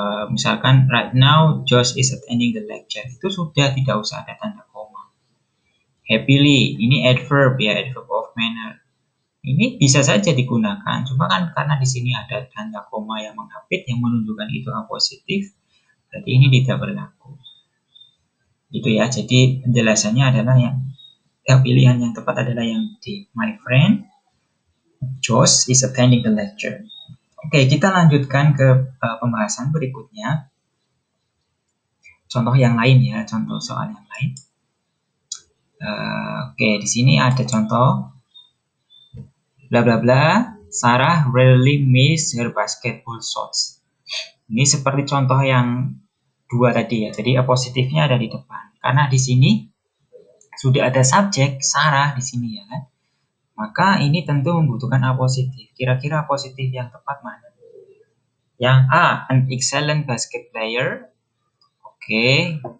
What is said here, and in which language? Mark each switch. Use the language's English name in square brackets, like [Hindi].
[Indonesian] Misalkan [English] right now, Josh is attending the lecture. [Indonesian] Itu sudah tidak usah ada tanda koma. Happily, ini adverb ya, adverb of manner. Ini bisa saja digunakan, cuma kan karena di sini ada tanda koma yang mengapit yang menunjukkan itu apositif, berarti ini tidak berlaku. Gitu ya, jadi penjelasannya adalah yang pilihan yang tepat adalah yang di [English] my friend, Josh is attending the lecture. [Indonesian] Oke, kita lanjutkan ke pembahasan berikutnya. Contoh yang lain ya, contoh soal yang lain. Oke, di sini ada contoh. [English] Bla bla bla, Sarah really miss her basketball shots. [Indonesian] Ini seperti contoh yang dua tadi ya. Jadi positifnya ada di depan. Karena di sini sudah ada subjek Sarah di sini ya kan. Maka ini tentu membutuhkan apositif. Kira-kira apositif yang tepat mana? Yang A, [English] an excellent basket player. Oke.